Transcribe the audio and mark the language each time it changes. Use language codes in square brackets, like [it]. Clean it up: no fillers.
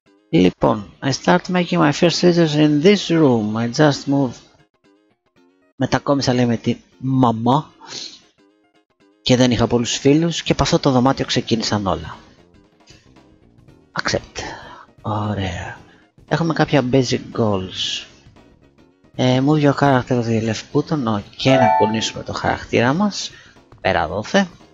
[en] Λοιπόν, I start making my first videos in this room. I just moved. [el] Μετακόμισα, λέει, με τη μαμά και δεν είχα πολλούς φίλους και από αυτό το δωμάτιο ξεκίνησαν όλα. Accept. Ωραία. Έχουμε κάποια basic goals. [en] Move your character to the left button, [el] και να κουνήσουμε το χαρακτήρα μας. Πέρα δόθε.